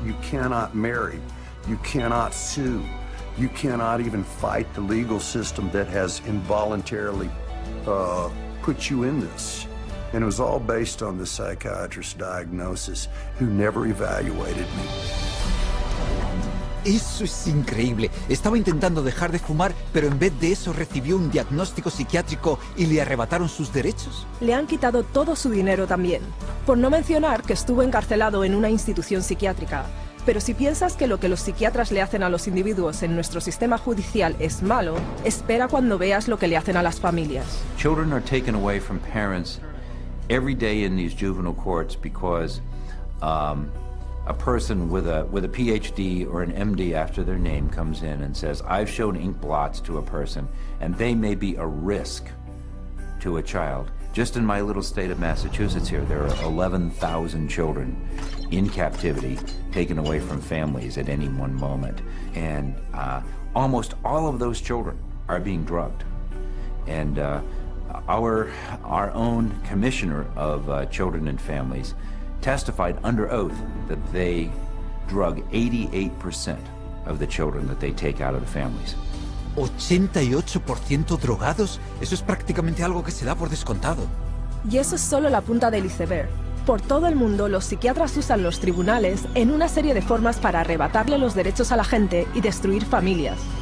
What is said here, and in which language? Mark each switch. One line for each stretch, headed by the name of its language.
English: You cannot marry. You cannot sue. You cannot even fight the legal system that has involuntarily put you in this. And it was all based on the psychiatrist's diagnosis, who never evaluated me.
Spanish: Eso es increíble. Estaba intentando dejar de fumar, pero en vez de eso recibió un diagnóstico psiquiátrico y le arrebataron sus derechos. Le han quitado todo su dinero también. Por no mencionar que estuvo encarcelado en una institución psiquiátrica. Pero si piensas que lo que los psiquiatras le hacen a los individuos en nuestro sistema judicial es malo, espera cuando veas lo que le hacen a las familias.
English: Children are taken away from parents every day in these juvenile courts because a person with a PhD or an MD after their name comes in and says, I've shown ink blots to a person and they may be a risk to a child. Just in my little state of Massachusetts here, there are 11,000 children in captivity, taken away from families at any one moment. And almost all of those children are being drugged. And our own commissioner of children and families testified under oath that they drug 88% of the children that they take out of the families.
Spanish: 88% drogados? Eso es prácticamente algo que se da por descontado. Y eso es solo la punta del iceberg. Por todo el mundo, los psiquiatras usan los tribunales en una serie de formas para arrebatarle los derechos a la gente y destruir familias.